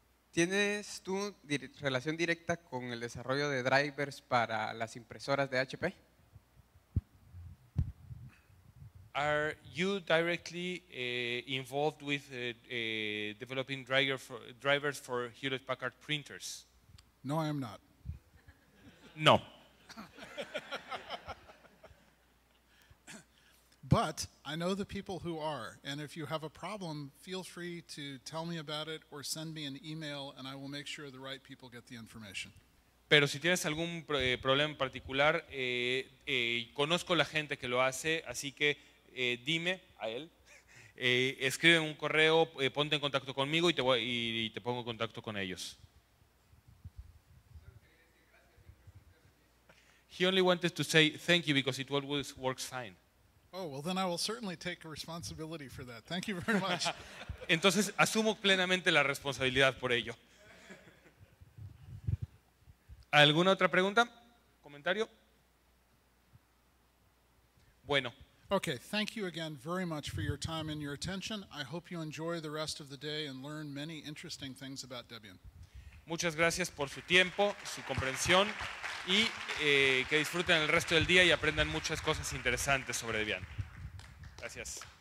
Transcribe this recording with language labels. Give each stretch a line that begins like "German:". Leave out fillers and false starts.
Spanish: ¿Tienes tú relación directa con el desarrollo de drivers para las impresoras de HP?
English: Are you directly involved with developing drivers for Hewlett-Packard printers? No, I am not. No. But I know the people who are, and if you have a problem, feel free to tell me about it or send me an email, and I will make sure the right people get the information.
Spanish: Pero si tienes algún problema en particular, conozco la gente que lo hace, así que dime a él, escribe un correo, ponte en contacto conmigo y te pongo en contacto con ellos.
English: He only wanted to say thank you because it always works fine. Oh, well then I will certainly take responsibility for that. Thank you very much.
Spanish: Entonces, asumo plenamente la responsabilidad por ello. ¿Alguna otra pregunta? ¿Comentario? Bueno.
English: Okay, thank you again very much for your time and your attention. I hope you enjoy the rest of the day and learn many interesting things about Debian.
Spanish: Muchas gracias por su tiempo, su comprensión. Y que disfruten el resto del día y aprendan muchas cosas interesantes sobre Debian. Gracias.